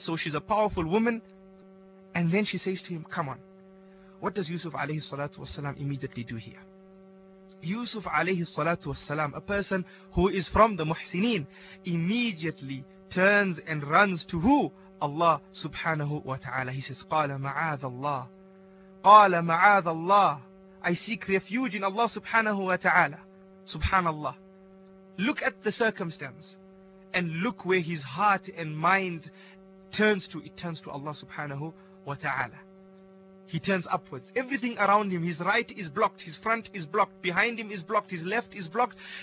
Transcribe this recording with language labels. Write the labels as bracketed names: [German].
[English] So she's a powerful woman. And then she says to him, come on. What does Yusuf alayhi salatu wasalam immediately do here? Yusuf alayhi salatu wasalam, a person who is from the Muhsineen, immediately turns and runs to who? Allah subhanahu wa ta'ala. He says, [Arabic] قَالَ مَعَاذَ اللَّهِ قَالَ مَعَاذَ اللَّهِ. [English] I seek refuge in Allah subhanahu wa ta'ala. Subhanallah. Look at the circumstance and look where his heart and mind turns to. It turns to Allah subhanahu wa ta'ala. He turns upwards. Everything around him, his right is blocked, his front is blocked, behind him is blocked, his left is blocked.